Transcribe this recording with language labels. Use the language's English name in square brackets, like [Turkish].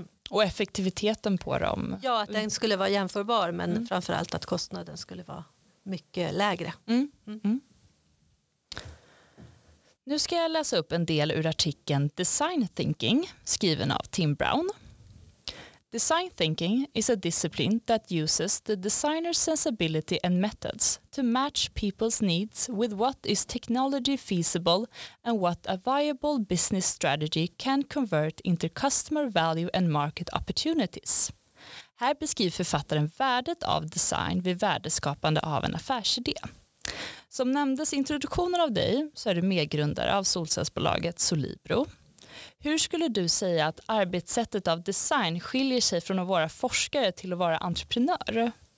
[Swedish] Och effektiviteten på dem? Ja, att den skulle vara jämförbar men framförallt att kostnaden skulle vara mycket lägre. Nu ska jag läsa upp en del ur artikeln Design Thinking skriven av Tim Brown. [English] Design thinking is a discipline that uses the designer's sensibility and methods to match people's needs with what is technology feasible and what a viable business strategy can convert into customer value and market opportunities. [Swedish] Här beskriver författaren värdet av design vid värdeskapande av en affärsidé. Som nämndes i introduktionen av dig så är du medgrundare av solcellsbolaget Solibro. Hur skulle du säga att arbetssättet av design skiljer sig från att vara forskare till att vara entreprenör?